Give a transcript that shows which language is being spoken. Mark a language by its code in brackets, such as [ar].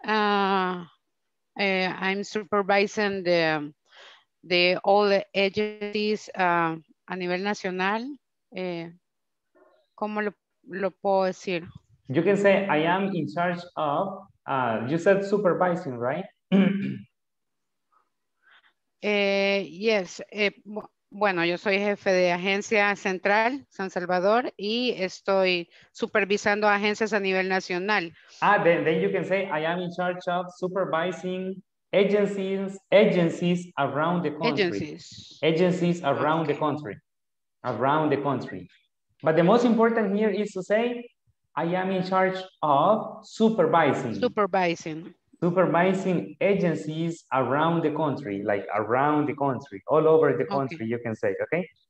[en] I'm supervising the all the agencies [es] a nivel nacional. ¿Cómo lo puedo decir? [en] You can say I am in charge of, you said supervising, right? yes. [es] Bueno, yo soy jefe de agencia central San Salvador y estoy supervisando agencias a nivel nacional. [en] Ah, then you can say I am in charge of supervising agencies around the country. Agencies around the country. Around the country. But the most important here is to say I am in charge of supervising agencies around the country, like around the country, all over the country, okay. You can say, okay?